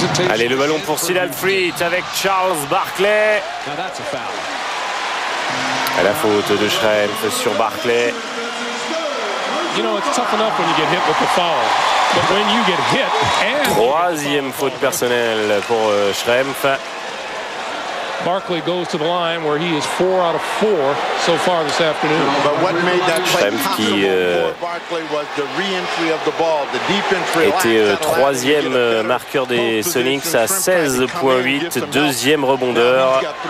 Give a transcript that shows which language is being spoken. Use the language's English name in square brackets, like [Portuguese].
[French] Allez, le ballon pour Sidel Fritz avec Charles Barclay. À la faute de Schrempf sur Barclay. [English] You know, it's tough enough when you get hit with the foul. But when you get hit and... [French] Troisième faute personnelle pour Schrempf. [English] Barclay goes to the line where he is 4 out of 4 so far this afternoon. But what made that play possible for Barclay was the re-entry of the ball, the deep entry. [French] Était troisième marqueur des Sonics à 16.8, deuxième rebondeur.